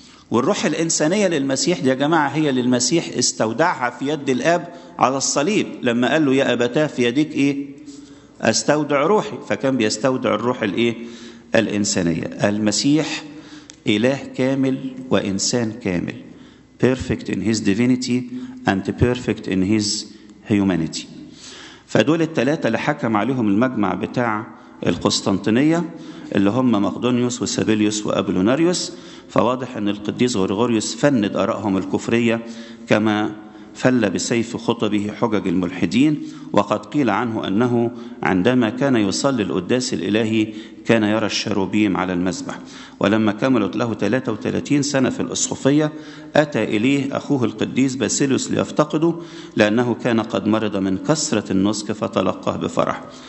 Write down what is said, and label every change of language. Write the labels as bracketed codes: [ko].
[ar] والروح الإنسانية للمسيح دي يا جماعة هي للمسيح استودعها في يد الآب على الصليب، لما قال له يا أبتاه في يديك إيه أستودع روحي، فكان بيستودع الروح الإيه الإنسانية. المسيح إله كامل وإنسان كامل، [en] perfect in his divinity and perfect in his humanity. [ar] فدول الثلاثة اللي حكم عليهم المجمع بتاع القسطنطينية اللي هم مقدونيوس وسابيليوس وأبلوناريوس، فواضح أن القديس غريغوريوس فند أراءهم الكفرية كما فل بسيف خطبه حجج الملحدين. وقد قيل عنه أنه عندما كان يصلي القداس الإلهي كان يرى الشروبيم على المذبح، ولما كملت له 33 سنة في الأسخفية أتى إليه أخوه القديس باسيليوس ليفتقده، لأنه كان قد مرض من كسرة النسك فتلقاه بفرح.